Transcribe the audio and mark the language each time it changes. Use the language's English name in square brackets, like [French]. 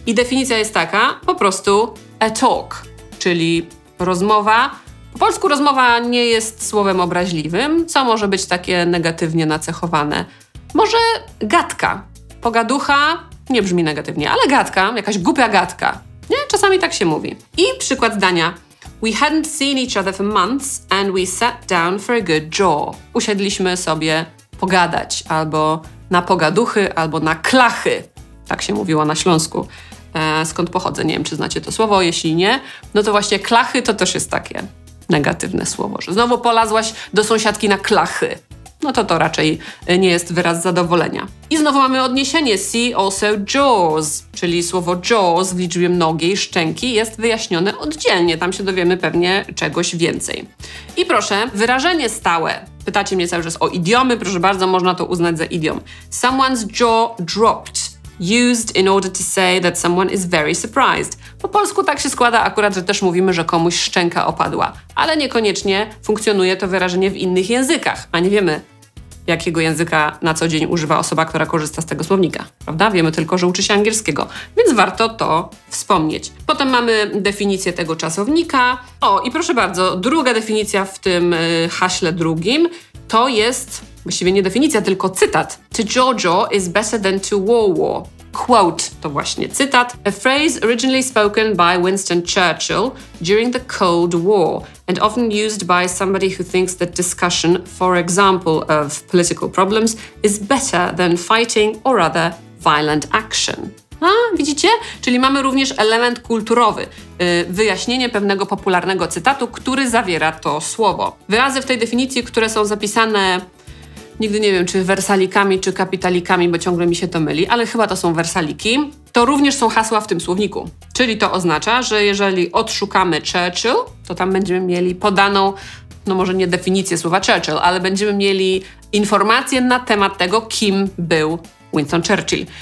[Polish] I definicja jest taka, po prostu [English] a talk, [Polish] czyli rozmowa. Po polsku rozmowa nie jest słowem obraźliwym, co może być takie negatywnie nacechowane. Może gadka, pogaducha, nie brzmi negatywnie, ale gadka, jakaś głupia gadka. Nie, czasami tak się mówi. I przykład zdania. [English] We hadn't seen each other for months and we sat down for a good jaw. [Polish] Usiedliśmy sobie pogadać, albo na pogaduchy, albo na klachy. Tak się mówiło na Śląsku. Skąd pochodzę? Nie wiem, czy znacie to słowo. Jeśli nie, no to właśnie klachy to też jest takie negatywne słowo, że znowu polazłaś do sąsiadki na klachy. No to to raczej nie jest wyraz zadowolenia. I znowu mamy odniesienie. [English] See also jaws, [Polish] czyli słowo jaws w liczbie mnogiej szczęki jest wyjaśnione oddzielnie. Tam się dowiemy pewnie czegoś więcej. I proszę, wyrażenie stałe. Pytacie mnie cały czas o idiomy. Proszę bardzo, można to uznać za idiom. [English] Someone's jaw dropped. Used in order to say that someone is very surprised. [Polish] Po polsku tak się składa akurat, że też mówimy, że komuś szczęka opadła. Ale niekoniecznie funkcjonuje to wyrażenie w innych językach, a nie wiemy, jakiego języka na co dzień używa osoba, która korzysta z tego słownika. Prawda? Wiemy tylko, że uczy się angielskiego, więc warto to wspomnieć. Potem mamy definicję tego czasownika. O, i proszę bardzo, druga definicja w tym haśle drugim to jest... Właściwie nie definicja, tylko cytat. [English] To Jojo is better than to Wawa. Quote, [Polish] to właśnie cytat. [English] A phrase originally spoken by Winston Churchill during the Cold War and often used by somebody who thinks that discussion, for example, of political problems is better than fighting or other violent action. [Polish] A, widzicie? Czyli mamy również element kulturowy. Wyjaśnienie pewnego popularnego cytatu, który zawiera to słowo. Wyrazy w tej definicji, które są zapisane... Nigdy nie wiem, czy wersalikami, czy kapitalikami, bo ciągle mi się to myli, ale chyba to są wersaliki. To również są hasła w tym słowniku. Czyli to oznacza, że jeżeli odszukamy Churchill, to tam będziemy mieli podaną, no może nie definicję słowa Churchill, ale będziemy mieli informację na temat tego, kim był Winston Churchill.